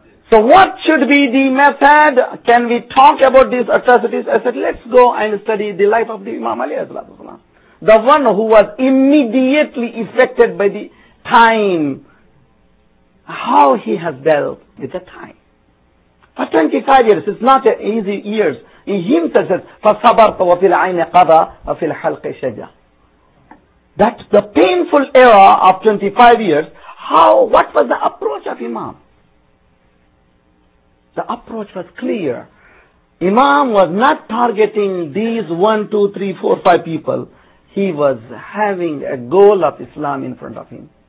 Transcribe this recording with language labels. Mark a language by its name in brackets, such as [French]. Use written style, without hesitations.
[English] So what should be the method? Can we talk about these atrocities? I said, let's go and study the life of the Imam Ali, the one who was immediately affected by the time. How he has dealt with the time. For 25 years, it's not an easy years. In him, it says, [Arabic] فَصَبَرْتَ وَفِي الْعَيْنِ قَضَى وَفِي الْحَلْقِ شَجَى. [English] That's the painful era of 25 years. What was the approach of Imam? The approach was clear. Imam was not targeting these 1, 2, 3, 4, 5 people. He was having a goal of Islam in front of him.